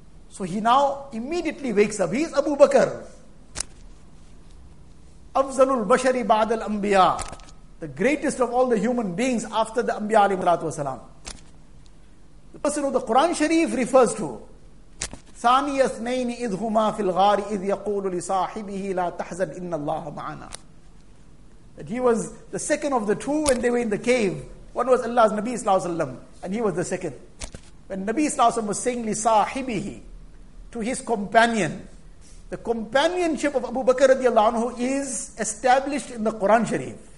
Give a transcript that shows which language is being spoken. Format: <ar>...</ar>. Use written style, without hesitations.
<en>So he now immediately wakes up. He is Abu Bakr.</en> <ar>Afzalul Bashari Ba'd al Anbiya.</ar> <en>The greatest of all the human beings after the Anbiya alayhi salam. The person who the Quran Sharif refers to.</en> <ar>ثاني اثنين إذ هما في الغار إذ يقول لصاحبه لا تحزن إن الله معنا.</ar> <en>That he was the second of the two when they were in the cave. One was Allah's Nabi sallallahu alayhi wa sallam, and he was the second. When Nabi sallallahu alayhi wa sallam was saying لصاحبه, to his companion, the companionship of Abu Bakr radiallahu anhu is established in the Quran Sharif.</en>